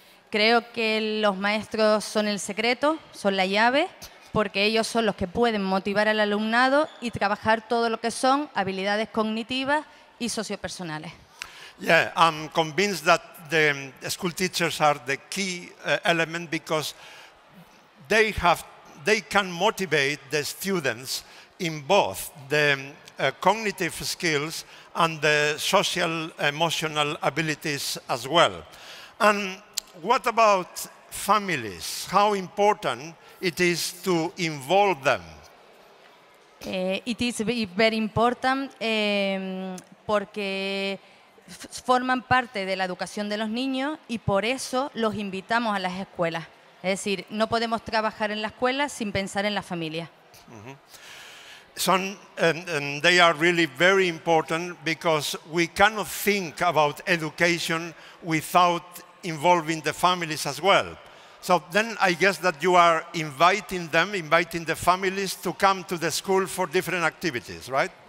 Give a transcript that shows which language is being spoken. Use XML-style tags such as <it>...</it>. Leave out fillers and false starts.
<es>Creo que los maestros son el secreto, son la llave, porque ellos son los que pueden motivar al alumnado y trabajar todo lo que son habilidades cognitivas y sociopersonales.</es> <en>Yeah, I'm convinced that the school teachers are the key element because they can motivate the students in both the cognitive skills and the social emotional abilities as well. And what about families? How important it is to involve them? It is very important</en> <es>porque forman parte de la educación de los niños y por eso los invitamos a las escuelas. Es decir, no podemos trabajar en la escuela sin pensar en la familia.</es> <en>Son, and they are really very important because we cannot think about education without involving the families as well. So then I guess that you are inviting them, inviting the families to come to the school for different activities, right?</en>